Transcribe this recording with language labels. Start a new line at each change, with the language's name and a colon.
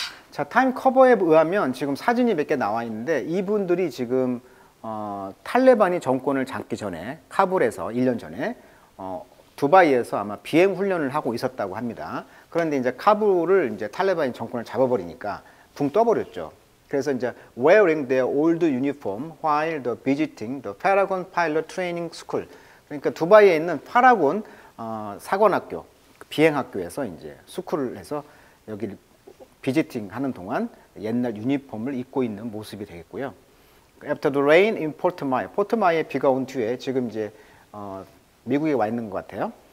Korean: 자, 타임 커버에 의하면 지금 사진이 몇개 나와 있는데 이분들이 지금 탈레반이 정권을 잡기 전에 카불에서 1년 전에 두바이에서 아마 비행 훈련을 하고 있었다고 합니다. 그런데 이제 카불을 이제 탈레반이 정권을 잡아버리니까 붕 떠버렸죠. 그래서 이제
English: wearing their old uniform while the visiting the Paragon Pilot Training School.
Korean: 그러니까 두바이에 있는 파라곤 사관학교 비행학교에서 이제 스쿨을 해서 여기 비지팅 하는 동안 옛날 유니폼을 입고 있는 모습이 되겠고요.
English: After the rain in Port Mayo.
Korean: 포트마이에 비가 온 뒤에 지금 이제 미국에 와 있는 것 같아요.